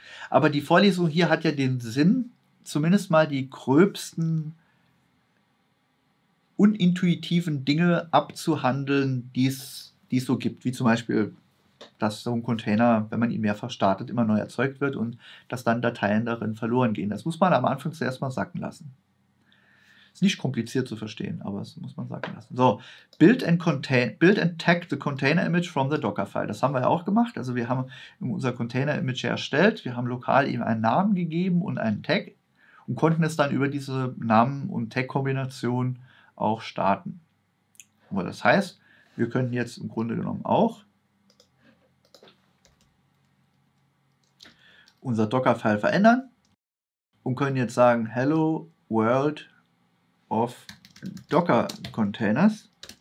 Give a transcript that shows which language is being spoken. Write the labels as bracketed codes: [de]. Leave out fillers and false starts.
[de] Aber die Vorlesung hier hat ja den Sinn, zumindest mal die gröbsten, unintuitiven Dinge abzuhandeln, die es so gibt. Wie zum Beispiel, dass so ein Container, wenn man ihn mehrfach startet, immer neu erzeugt wird und dass dann Dateien darin verloren gehen. Das muss man am Anfang zuerst mal sacken lassen. Ist nicht kompliziert zu verstehen, aber das muss man sacken lassen. [en] So, build and tag the container image from the Docker-File. [de] Das haben wir ja auch gemacht. Also wir haben unser Container-Image erstellt. Wir haben lokal eben einen Namen gegeben und einen Tag. und konnten es dann über diese Namen- und Tag-Kombination auch starten. Aber das heißt, wir könnten jetzt im Grunde genommen auch unser Docker-File verändern und können jetzt sagen, [en] Hello World of Docker Containers.